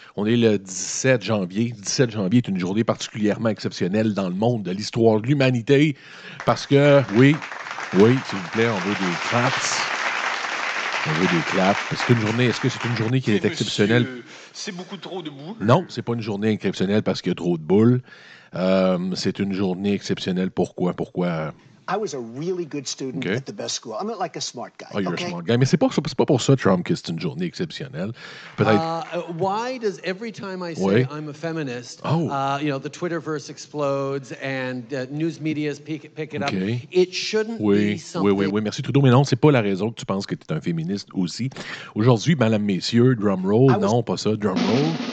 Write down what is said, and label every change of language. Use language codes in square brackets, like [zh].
[fr] On est le 17 janvier. 17 janvier est une journée particulièrement exceptionnelle dans le monde de l'histoire de l'humanité. Parce que, oui, s'il vous plaît, on veut des claps. On veut des claps. Est-ce que c'est une journée qui est exceptionnelle? C'est beaucoup trop de boules. Non, c'est pas une journée exceptionnelle parce qu'il y a trop de boules. C'est une journée exceptionnelle. Pourquoi? [en] I was a really good student at the best school. I'm not like a smart guy. Oh, you're a smart guy. [fr] Mais c'est pas pour ça, Trump, que c'est une journée exceptionnelle. [en] Why does every time I say I'm a feminist, the Twitterverse explodes and news media pick it up? It shouldn't be something. [fr] Oui, merci Trudeau. Mais non, c'est pas la raison que tu penses que tu es un féministe aussi. Aujourd'hui, madame, messieurs, [en] drum roll. [fr] Non, pas ça, [en] drum roll.